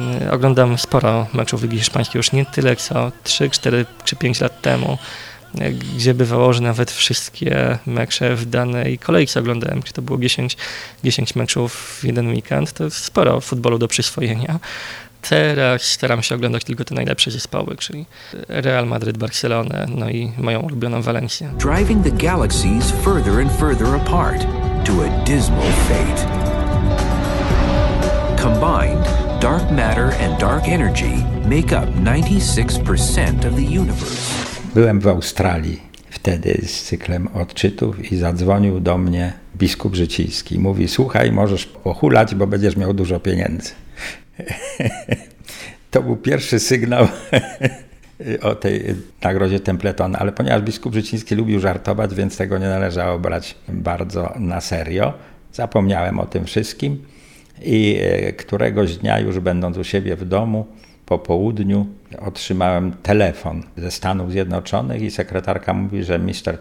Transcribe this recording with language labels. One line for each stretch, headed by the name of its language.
Polish: Oglądam sporo meczów Ligi Hiszpańskiej, już nie tyle co 3, 4 czy 5 lat temu, gdzie bywało, że nawet wszystkie mecze w danej kolejce oglądałem, czy to było 10 meczów w jeden weekend. To jest sporo futbolu do przyswojenia. Teraz staram się oglądać tylko te najlepsze zespoły, czyli Real Madrid, Barcelonę, no i moją ulubioną Walencję.
English: Driving the galaxies further and further apart to a dismal fate. Combined, dark matter and dark energy make up 96% of the universe.
Polish: Byłem w Australii wtedy z cyklem odczytów i zadzwonił do mnie biskup Życiński. Mówi: słuchaj, możesz pohulać, bo będziesz miał dużo pieniędzy. To był pierwszy sygnał o tej nagrodzie Templeton, ale ponieważ biskup Życiński lubił żartować, więc tego nie należało brać bardzo na serio, zapomniałem o tym wszystkim i któregoś dnia, już będąc u siebie w domu, po południu otrzymałem telefon ze Stanów Zjednoczonych i sekretarka mówi, że Mr.